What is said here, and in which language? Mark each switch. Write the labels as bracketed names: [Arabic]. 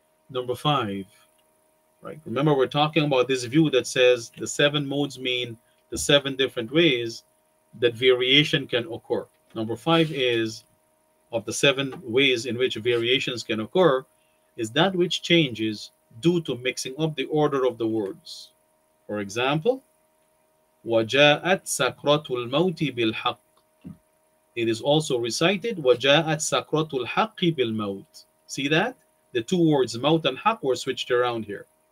[English] Number five, right, remember we're talking about this view that says the seven modes mean the seven different ways that variation can occur. Number five is, of the seven ways in which variations can occur, is that which changes due to mixing up the order of the words. For example, [Arabic] وَجَاءَتْ سَكْرَةُ الْمَوْتِ بِالْحَقِّ. [English] It is also recited, [Arabic] وَجَاءَتْ سَكْرَةُ الْحَقِّ بِالْمَوْتِ. [English] See that? The two words, maut and haq, were switched around here.